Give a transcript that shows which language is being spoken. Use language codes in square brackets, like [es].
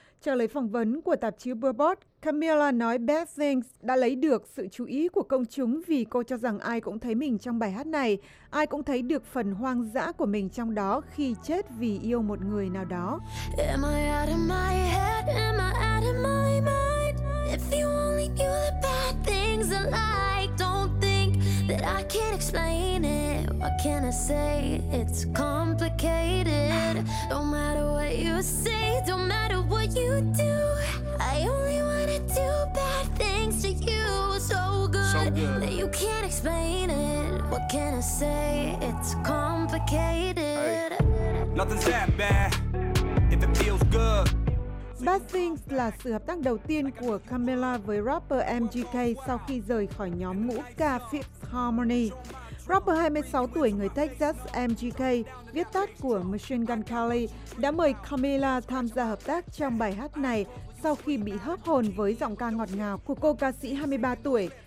[vi] Trả lời phỏng vấn của tạp chí Billboard, Camila nói Bad Things đã lấy được sự chú ý của công chúng vì cô cho rằng ai cũng thấy mình trong bài hát này, ai cũng thấy được phần hoang dã của mình trong đó khi chết vì yêu một người nào đó. [en] Am I out of my head? Am I out of my mind? If you only knew the bad things I like, don't think that I can't explain it. What can I say? It's complicated. Don't matter what you say, don't matter what you do. I only wanna do bad things to you. So good that you can't explain it. What can I say? It's complicated. Nothing's that bad if it feels good. [vi] Bad Things là sự hợp tác đầu tiên của Camila với rapper MGK sau khi rời khỏi nhóm ngũ ca Fifth Harmony. Rapper 26 tuổi người Texas MGK, viết tắt của Machine Gun Kelly, đã mời Camila tham gia hợp tác trong bài hát này sau khi bị hớp hồn với giọng ca ngọt ngào của cô ca sĩ 23 tuổi.